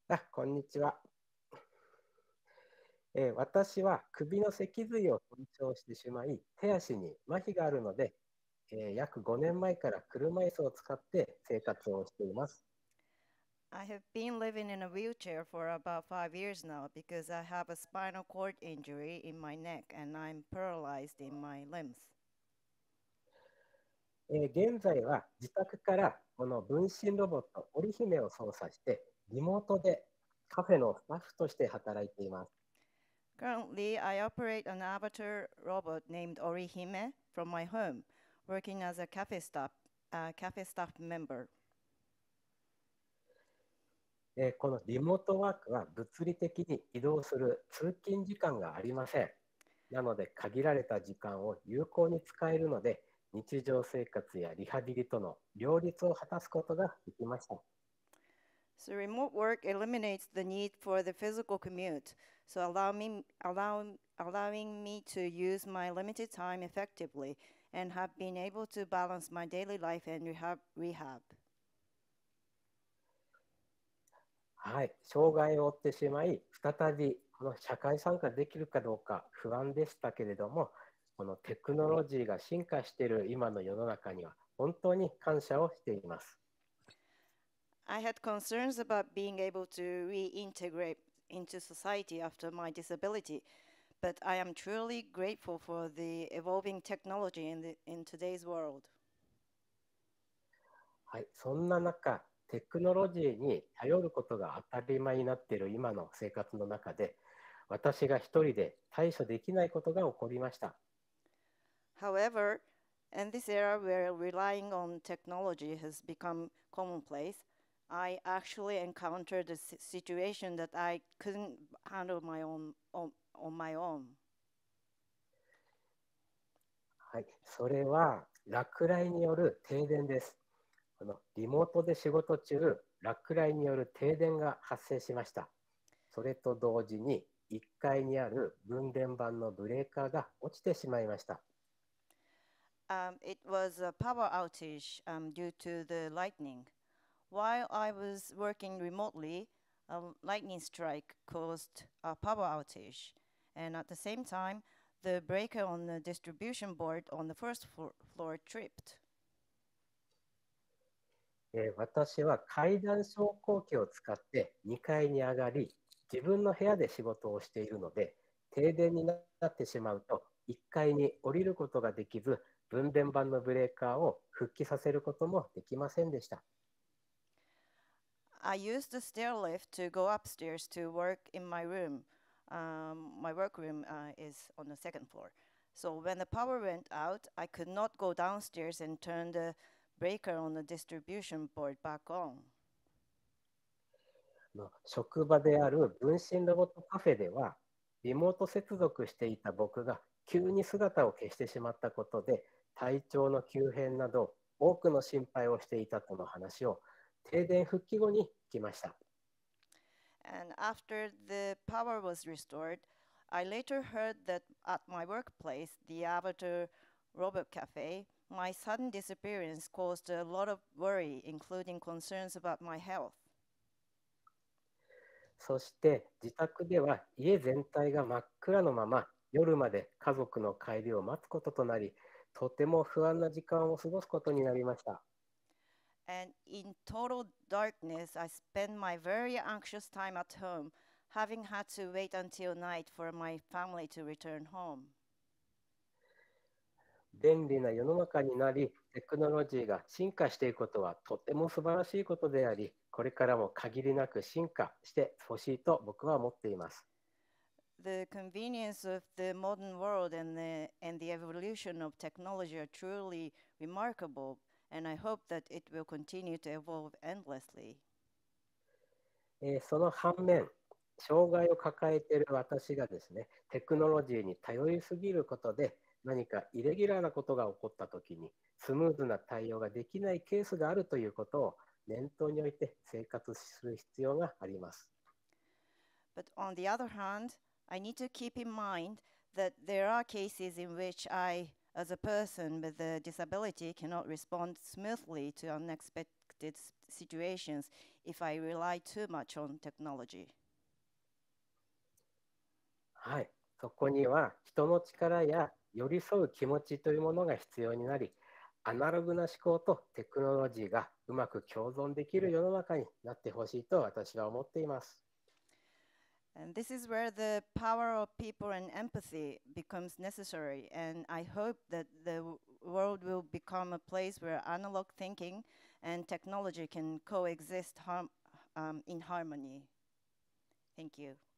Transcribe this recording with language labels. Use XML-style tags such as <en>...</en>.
<ja>こんにちは、私は首の脊髄を損傷してしまい手足に麻痺があるので、約5年前から車椅子を使って生活をしています</ja> <en>I have been living in a wheelchair for about 5 years now because I have a spinal cord injury in my neck and I'm paralyzed in my limbs、</en> <ja>現在は自宅からこの分身ロボットオリヒメを操作してリモートでカフェのスタッフとして働いています。</ja> <en>Currently, I operate an avatar robot named Orihime from my home, working as a cafe staff member.</en> <ja>このリモートワークは物理的に移動する通勤時間がありません。なので限られた時間を有効に使えるので、日常生活やリハビリとの両立を果たすことができました。</ja> <en>So remote work eliminates the need for the physical commute, so allowing me to use my limited time effectively and have been able to balance my daily life and rehab.</en> <ja>はい、障害を負ってしまい、再びこの社会参加できるかどうか不安でしたけれども、このテクノロジーが進化している今の世の中には本当に感謝をしています。</ja> <en>I had concerns about being able to reintegrate into society after my disability, but I am truly grateful for the evolving technology in today's world.</en> <ja>はい、そんな中、テクノロジーに頼ることが当たり前になっている今の生活の中で、私が一人で対処できないことが起こりました。</ja> <en>However, in this era where relying on technology has become commonplace,I actually encountered a situation that I couldn't handle on my own.</en> <ja>はい、それは落雷による停電です。このリモートで仕事中、落雷による停電が発生しました。それと同時に1階にある分電盤のブレーカーが落ちてしまいました。</ja> <en>It was a power outage, due to the lightning. While I was working remotely, a lightning strike caused a power outage. And at the same time, the breaker on the distribution board on the first floor tripped.</en> <ja>私は階段昇降機を使って2階に上がり、自分の部屋で仕事をしているので、停電になってしまうと1階に降りることができず、分電盤のブレーカーを復帰させることもできませんでした。</ja> <en>I used the stairlift to go upstairs to work in my room. My workroom is on the second floor. So when the power went out, I could not go downstairs and turn the breaker on the distribution board back on.</en> <ja>の職場である分身ロボットカフェではリモート接続していた僕が急に姿を消してしまったことで体調の急変など多くの心配をしていたとの話を停電復帰後に聞きました。</ja> <en>And after the power was restored, I later heard that at my workplace, the Avatar Robot Cafe, my sudden disappearance caused a lot of worry, including concerns about my health.</en> <ja>そして自宅では家全体が真っ暗のまま夜まで家族の帰りを待つこととなり、とても不安な時間を過ごすことになりました。</ja> <en>And in total darkness, I spent my very anxious time at home, having had to wait until night for my family to return home.</en> <ja>便利な世の中になり、テクノロジーが進化していくことはとても素晴らしいことであり、これからも限りなく進化してほしいと僕は思っています。</ja> <en>The convenience of the modern world and the evolution of technology are truly remarkable. And I hope that it will continue to evolve endlessly.</en> <ja>その反面、障害を抱えている私がですね、テクノロジーに頼りすぎることで何かイレギュラーなことが起こったときにスムーズな対応ができないケースがあるということを念頭に置いて生活する必要があります。</ja> <en>But on the other hand, I need to keep in mind that there are cases in which I... As a person with a disability, cannot respond smoothly to unexpected situations if I rely too much on technology.</en> <ja>はい、そこには人の力や寄り添う気持ちというものが必要になり、アナログな思考とテクノロジーがうまく共存できる世の中になってほしいと私は思っています。</ja> <en>And this is where the power of people and empathy becomes necessary. And I hope that the world will become a place where analog thinking and technology can coexist in harmony. Thank you.</en>